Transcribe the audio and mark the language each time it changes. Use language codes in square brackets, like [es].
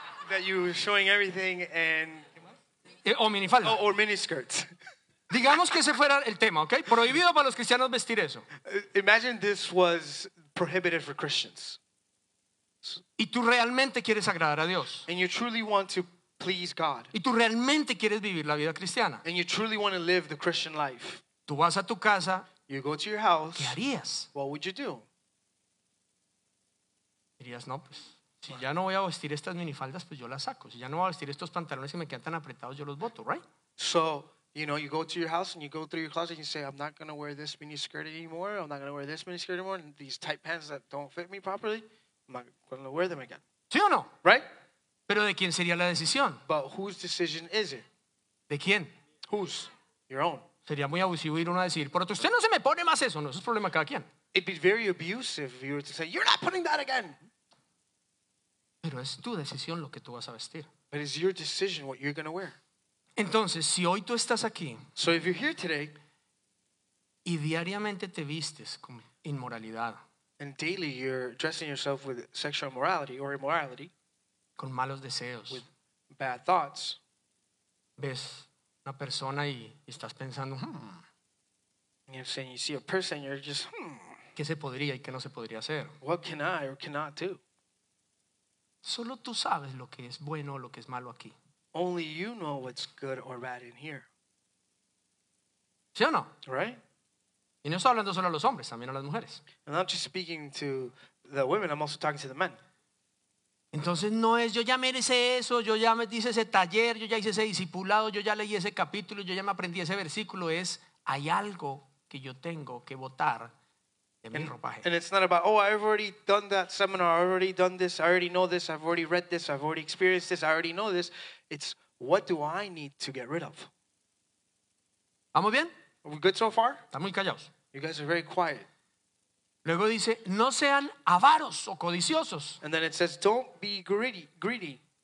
[en] that you were showing everything and [es] o minifalda. [en] Or miniskirts. [es] Digamos que ese fuera el tema, ¿okay? Prohibido para los cristianos vestir eso. [en] Imagine this was prohibited for Christians. [es] Y tú realmente quieres agradar a Dios. [en] And you truly want to please God. [es] Y tú realmente quieres vivir la vida cristiana. [en] And you truly want to live the Christian life. [es] Tú vas a tu casa. [en] You go to your house. [es] ¿Qué harías? [en] What would you do? [es] Dirías, no, pues, si ya no voy a vestir estas minifaldas, pues yo las saco. Si ya no voy a vestir estos pantalones que me quedan tan apretados, yo los boto, right? [en] So, you know, you go to your house and you go through your closet and you say, I'm not going to wear this mini skirt anymore. I'm not going to wear this mini skirt anymore. And these tight pants that don't fit me properly, I'm not going to wear them again. [es] ¿Sí o no? [en] Right? [es] ¿Pero de quién sería la decisión? [en] But whose decision is it? [es] ¿De quién? [en] Whose? Your own. [es] Sería muy abusivo ir uno a decir, pero usted no se me pone más eso. No, eso es problema de cada quien. [en] It'd be very abusive if you were to say, you're not putting that again. [es] Pero es tu decisión lo que tú vas a vestir. [en] But it's your decision what you're going to wear. [es] Entonces, si hoy tú estás aquí, [en] so if you're here today, [es] y diariamente te vistes con inmoralidad, [en] and daily you're dressing yourself with sexual immorality or immorality, [es] con malos deseos, [en] with bad thoughts, [es] ves una persona y estás pensando, [en] you're saying, you see a person, you're just, [es] ¿qué se podría y qué no se podría hacer? [en] What can I or cannot do? [es] Solo tú sabes lo que es bueno o lo que es malo aquí. [en] Only you know what's good or bad in here. [es] ¿Sí o no? [en] Right? [es] Y no estoy hablando solo a los hombres, también a las mujeres. [en] I'm not just speaking to the women, I'm also talking to the men. [es] Entonces no es, yo ya merece eso, yo ya me hice ese taller, yo ya hice ese discipulado, yo ya leí ese capítulo, yo ya me aprendí ese versículo. Es, hay algo que yo tengo que botar de mi ropaje. [en] And it's not about, oh, I've already done that seminar, I've already done this, I already know this, I've already read this, I've already experienced this, I already know this. It's, what do I need to get rid of? [es] ¿Vamos bien? [en] Are we good so far? [es] Está muy callados. [en] You guys are very quiet. [es] Luego dice, no sean avaros o codiciosos. [en] And then it says, don't be greedy.